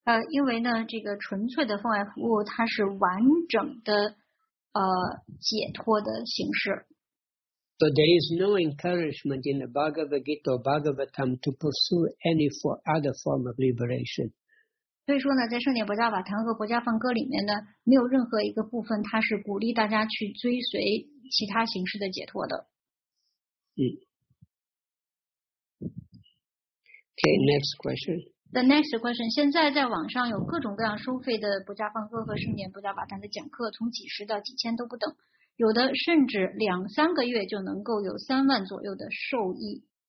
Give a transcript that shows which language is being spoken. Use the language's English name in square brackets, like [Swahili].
[Chinese] 因为呢，这个纯粹的奉爱服务，它是完整的解脱的形式。 [English] So there is no encouragement in the Bhagavad Gita or Bhagavatam to pursue any for other form of liberation. [Chinese] 所以说呢，在圣典博迦瓦坛和博迦梵歌里面呢，没有任何一个部分它是鼓励大家去追随其他形式的解脱的。 [English] Okay, next question. The next question, [Chinese] 现在在网上有各种各样收费的博迦梵歌和圣典博迦瓦坛的讲课，从几十到几千都不等，有的甚至两三个月就能够有30,000左右的受益。